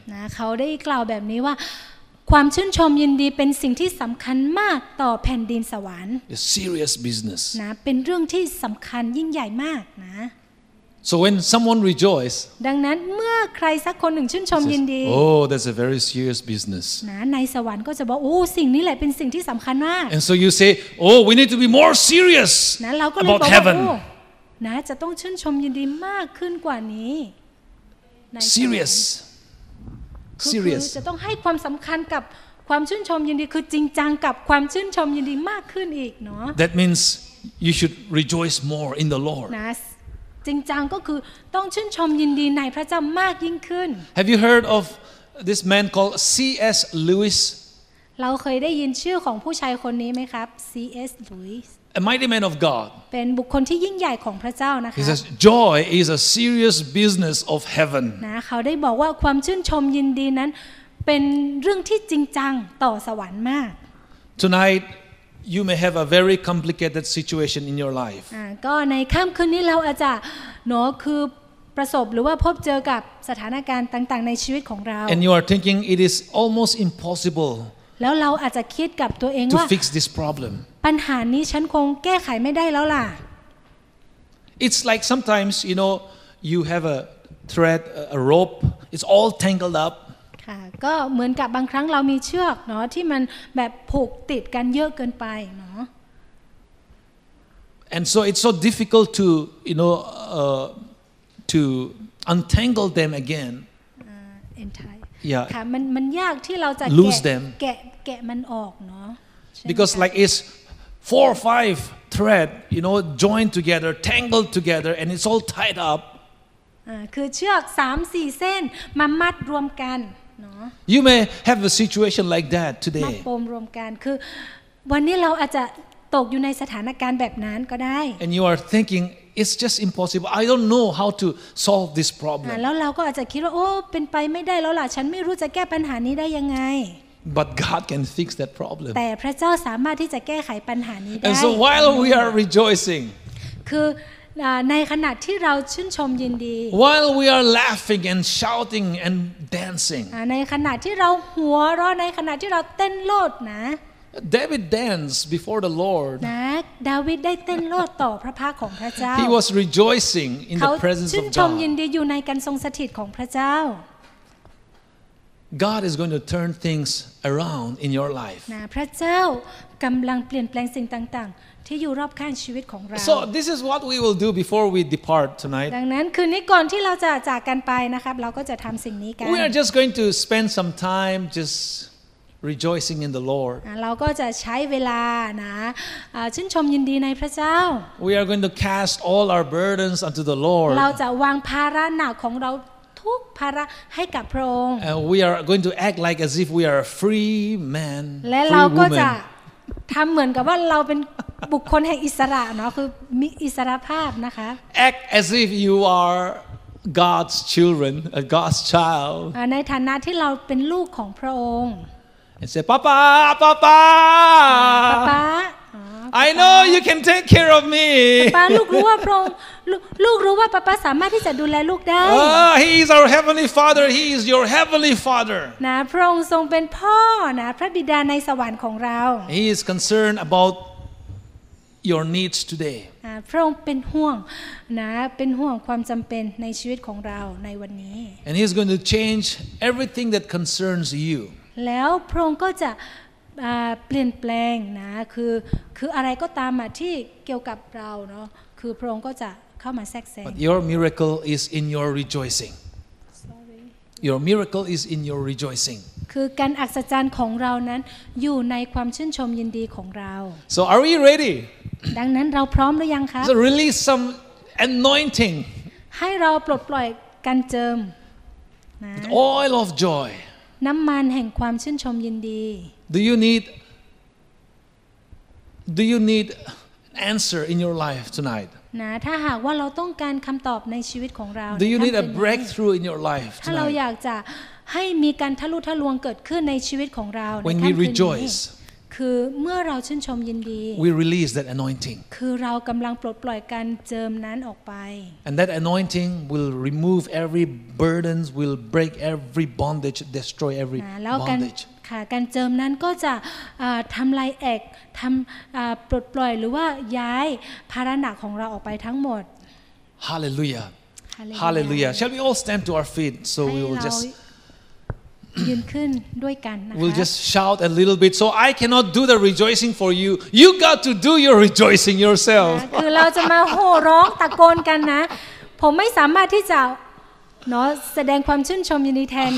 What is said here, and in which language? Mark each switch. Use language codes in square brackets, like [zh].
[th] นะเขาได้กล่าวแบบนี้ว่าความชื่นชมยินดีเป็นสิ่งที่สำคัญมากต่อแผ่นดินสวรรค์ [en] A serious business. [th] นะเป็นเรื่องที่สำคัญยิ่งใหญ่มากนะ [en] So when someone rejoices, [th] ดังนั้นเมื่อใครสักคนหนึ่งชื่นชมยินดี [en] Oh, that's a very serious business. [th] นะในสวรรค์ก็จะบอกโอ้สิ่งนี้แหละเป็นสิ่งที่สำคัญมาก [en] And so you say, oh, we need to be more serious about heaven. [th] นะจะต้องชื่นชมยินดีมากขึ้นกว่านี้ [en] Serious. Serious. [th] จะต้องให้ความสำคัญกับความชื่นชมยินดีคือจริงจังกับความชื่นชมยินดีมากขึ้นอีกเนาะ [en] That means you should rejoice more in the Lord. [th] นะจริงๆก็คือต้องชื่นชมยินดีในพระเจ้ามากยิ่งขึ้น [en] Have you heard of this man called C.S. Lewis? [th] เราเคยได้ยินชื่อของผู้ชายคนนี้ไหมครับ C.S. Lewis [en] A mighty man of God [th] เป็นบุคคลที่ยิ่งใหญ่ของพระเจ้านะคะ [en] He says joy is a serious business of heaven [th] นะเขาได้บอกว่าความชื่นชมยินดีนั้นเป็นเรื่องที่จริงจังต่อสวรรค์มาก [en] Tonight You may have a very complicated situation in your life. [th] ก็ในค่ำคืนนี้เราอาจจะเนาะคือประสบหรือว่าพบเจอกับสถานการณ์ต่างๆในชีวิตของเรา [en] And you are thinking it is almost impossible. [th] แล้วเราอาจจะคิดกับตัวเองว่า [en] To fix this problem. [th] ปัญหานี้ฉันคงแก้ไขไม่ได้แล้วล่ะ [en] It's like sometimes you know you have a thread, a rope. It's all tangled up. [th] ก็เหมือนกับบางครั้งเรามีเชือกเนาะที่มันแบบผูกติดกันเยอะเกินไปเนาะ [en] And so it's so difficult to you know to untangle them again yeah [th] ค่ะมันยากที่เราจะ [en] lose them [th] แกะมันออกเนาะ [en] because like it's 4 or 5 thread you know joined together tangled together and it's all tied up [th] คือเชือก 3-4 เส้นมามัดรวมกัน [en] You may have a situation like that today. [th] มาปมรวมกันคือวันนี้เราอาจจะตกอยู่ในสถานการณ์แบบนั้นก็ได้ [en] And you are thinking it's just impossible. I don't know how to solve this problem. [th] แล้วเราก็อาจจะคิดว่าโอ้เป็นไปไม่ได้แล้วล่ะฉันไม่รู้จะแก้ปัญหานี้ได้ยังไง [en] But God can fix that problem. [th] แต่พระเจ้าสามารถที่จะแก้ไขปัญหานี้ได้ [en] And so while we are rejoicing, [th] คือ ในขณะที่เราชื่นชมยินดี [en] While we are laughing and shouting and dancing [th] ในขณะที่เราหัวเราะในขณะที่เราเต้นโลดนะ [en] David danced before the Lord [th] นะดาวิดได้เต้นโลดต่อพระพักตร์ของพระเจ้า [en] He was rejoicing in the presence of God [th] ชื่นชมยินดีอยู่ในการทรงสถิตของพระเจ้า [en] God is going to turn things around in your life. [th] นะพระเจ้ากำลังเปลี่ยนแปลงสิ่งต่างๆที่อยู่รอบข้างชีวิตของเรา [en] So this is what we will do before we depart tonight. [th] ดังนั้นคืนนี้ก่อนที่เราจะจากกันไปนะครับเราก็จะทำสิ่งนี้กัน [en] We are just going to spend some time just rejoicing in the Lord. [th] เราก็จะใช้เวลานะชื่นชมยินดีในพระเจ้า [en] We are going to cast all our burdens unto the Lord. [th] เราจะวางภาระหนักของเราทุกภาระให้กับพระองค์ [en] And we are going to act like as if we are a free man [th] และเราก็จะทำเหมือนกับว่าเราเป็นบุคคลแห่งอิสระเนาะคือมีอิสรภาพนะคะ [en] Act as if you are God's children a God's child [th] ในฐานะที่เราเป็นลูกของพระองค์ [en] And say papa papa papa I know you can take care of me [th] ป้าลูกรู้ว่าพระองค์ลูกรู้ว่าป้าสามารถที่จะดูแลลูกได้ [en] He is our heavenly father He is your heavenly father [th] นะพระองค์ทรงเป็นพ่อนะพระบิดาในสวรรค์ของเรา [en] He is concerned about your needs today [th] พระองค์เป็นห่วงนะเป็นห่วงความจำเป็นในชีวิตของเราในวันนี้ [en] And he is going to change everything that concerns you [th] แล้วพระองค์ก็จะเปลี่ยนแปลงนะคืออะไรก็ตามที่เกี่ยวกับเราเนาะคือพระองค์ก็จะ [en] But your miracle is in your rejoicing. Your miracle is in your rejoicing. [th] คือการอัศจรรย์ของเรานั้นอยู่ในความชื่นชมยินดีของเรา [en] So are we ready? [th] ดังนั้นเราพร้อมหรือยังคะ [en] So release some anointing. [th] ให้เราปลดปล่อยการเจิม [en] Oil of joy. [th] น้ำมันแห่งความชื่นชมยินดี [en] Do you need an answer in your life tonight? [th] นะถ้าหากว่าเราต้องการคำตอบในชีวิตของเรา [en] Do you need a breakthrough in your life [th] ถ้าเราอยากจะให้มีการทะลุทะลวงเกิดขึ้นในชีวิตของเรา [en] When we rejoice [th] คือเมื่อเราชื่นชมยินดี [en] We release that anointing [th] คือเรากำลังปลดปล่อยการเจิมนั้นออกไป [en] And that anointing will remove every burdens will break every bondage destroy every bondage [th] การเจิมนั้นก็จะทำลายแอกทำปลดปล่อยหรือว่าย้ายภาระหนักของเราออกไปทั้งหมด [en] ฮาเลลูยาฮาเลลูยา Shall we all stand to our feet so we will just [th] ยืนขึ้นด้วยกันนะคะ [en] We'll just shout a little bit so I cannot do the rejoicing for you you got to do your rejoicing yourself [th] คือเราจะมาโห่ร้องตะโกนกันนะผมไม่สามารถที่จะเนาะแสดงความชื่นชมยินดีแทน